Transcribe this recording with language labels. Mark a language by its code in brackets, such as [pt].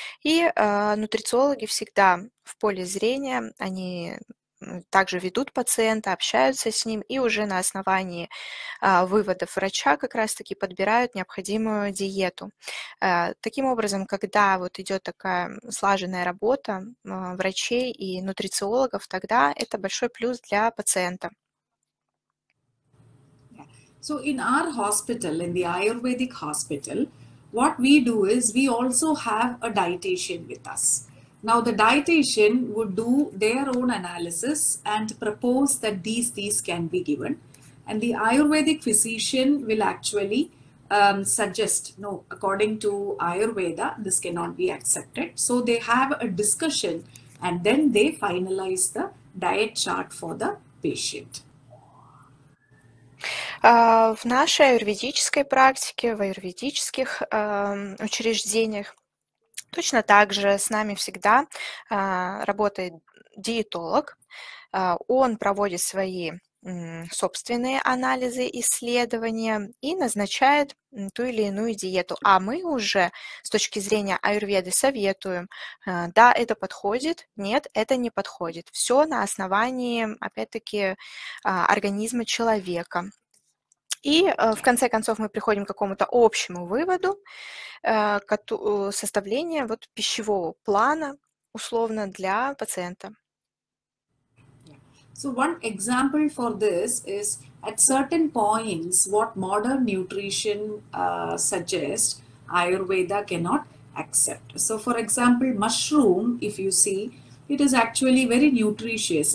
[ru] И нутрициологи всегда в поле зрения, они также ведут пациента, общаются с ним и уже на основании выводов врача как раз-таки подбирают необходимую диету. Таким образом, когда вот идет такая слаженная работа врачей и нутрициологов, тогда это большой плюс для пациента. [en] So in our hospital, in the Ayurvedic hospital, what we do is we also have a dietitian with us. Now the dietitian would do their own analysis and propose that these can be given, and the Ayurvedic physician will actually suggest, no, according to Ayurveda this cannot be accepted. So they have a discussion and then they finalize the diet chart for the patient. [ru] В нашей аюрведической практике, в аюрведических учреждениях точно так же с нами всегда работает диетолог. Он проводит свои собственные анализы, исследования и назначает ту или иную диету. А мы уже с точки зрения аюрведы советуем, да, это подходит, нет, это не подходит. Все на основании, опять-таки, организма человека. И в конце концов мы приходим к какому-то общему выводу, к составлению вот пищевого плана условно для пациента. [en] So one example for this is at certain points what modern nutrition suggests Ayurveda cannot accept. So for example, mushroom, if you see, it is actually very nutritious.